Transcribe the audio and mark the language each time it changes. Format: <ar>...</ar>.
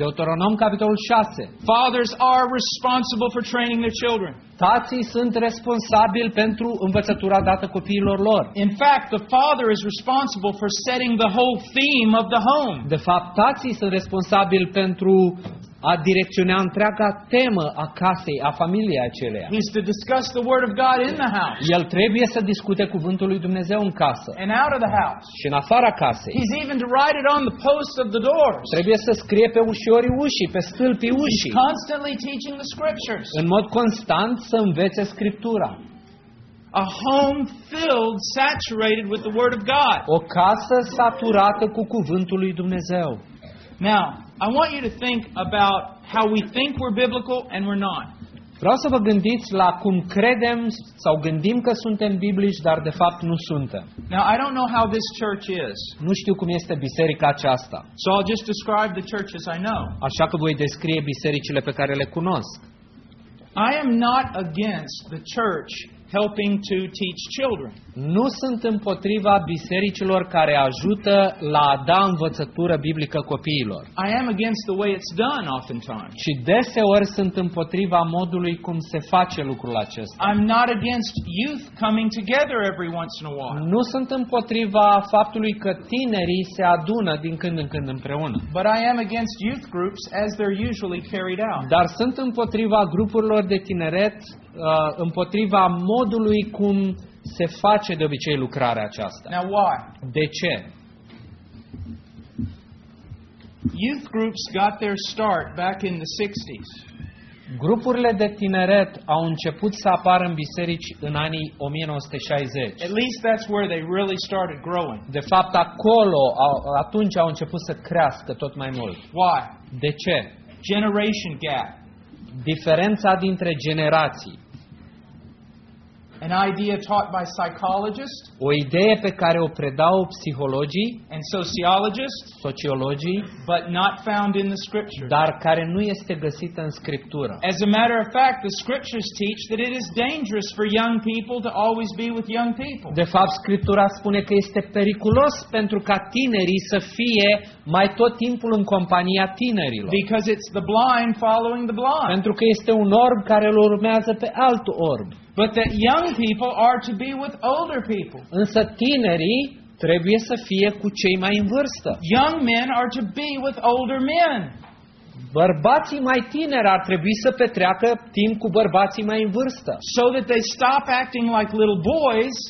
<ro>Deuteronom capitolul 6.</ro> <en>Fathers are responsible for training their children.</en> <ro>Tații sunt responsabili pentru învățătura dată copiilor lor.</ro> <en>In fact, the father is responsible for setting the whole theme of the home.</en> <ro>De fapt, tații sunt responsabili pentru a direcționa întreaga temă a casei, a familiei aceleia.</ro> <en>He's to discuss the word of God in the house.</en> <ro>El trebuie să discute cuvântul lui Dumnezeu în casă.</ro> <en>And out of the house.</en> <ro>Și în afara casei.</ro> <en>He's even to write it on the posts of the doors.</en> <ro>Trebuie să scrie pe ușorii ușii, pe stâlpii ușii.</ro> <en>He's constantly teaching the scriptures.</en> <ro>În mod constant să învețe scriptura.</ro> <en>A home filled, saturated with the word of God.</en> <ro>O casă saturată cu cuvântul lui Dumnezeu.</ro> <en>Now, I want you to think about how we think we're biblical and we're not.</en> <ro>Vreau să vă gândiți la cum credem sau gândim că suntem biblici, dar de fapt nu suntem.</ro> <en>Now, I don't know how this church is.</en> <ro>Nu știu cum este biserica aceasta.</ro> <en>So I'll just describe the churches I know.</en> <ro>Așa că voi descrie bisericile pe care le cunosc.</ro> <en>I am not against the church helping to teach children.</en> <ro>Nu sunt împotriva bisericilor care ajută la a da învățătură biblică copiilor.</ro> <en>I am against the way it's done oftentimes.</en> <ro>Și deseori sunt împotriva modului cum se face lucrul acesta.</ro> <en>I'm not against youth coming together every once in a while.</en> <ro>Nu sunt împotriva faptului că tinerii se adună din când în când împreună.</ro> <en>But I am against youth groups as they're usually carried out.</en> <ro>Dar sunt împotriva grupurilor de tineret împotriva modului cum se face de obicei lucrarea aceasta.</ro> <en>Now why?</en> <ro>De ce?</ro> <en>Youth groups got their start back in the 60s.</en> <ro>Grupurile de tineret au început să apară în biserici în anii 1960.</ro> <en>At least that's where they really started growing.</en> <ro>De fapt acolo atunci au început să crească tot mai mult.</ro> <en>Why?</en> <ro>De ce?</ro> <en>Generation gap.</en> <ro>Diferența dintre generații.</ro> <en>An idea taught by psychologists,</en> <ro>o idee pe care o predau psihologii</ro> <en>and sociologists,</en> <ro>sociologii,</ro> <en>but not found in the scriptures,</en> <ro>dar care nu este găsită în scriptură.</ro> <en>As a matter of fact, the scriptures teach that it is dangerous for young people to always be with young people.</en> <ro>De fapt, scriptura spune că este periculos pentru ca tinerii să fie mai tot timpul în compania tinerilor.</ro> <en>Because it's the blind following the blind.</en> <ro>Pentru că este un orb care îl urmează pe alt orb.</ro> <en>But that young people are to be with older people.</en> <ro>Însă tinerii trebuie să fie cu cei mai în vârstă.</ro> <en>Young men are to be with older men.</en> <ro>Bărbații mai tineri ar trebui să petreacă timp cu bărbații mai în vârstă.</ro> <en>So that they stop acting like little boys,</en>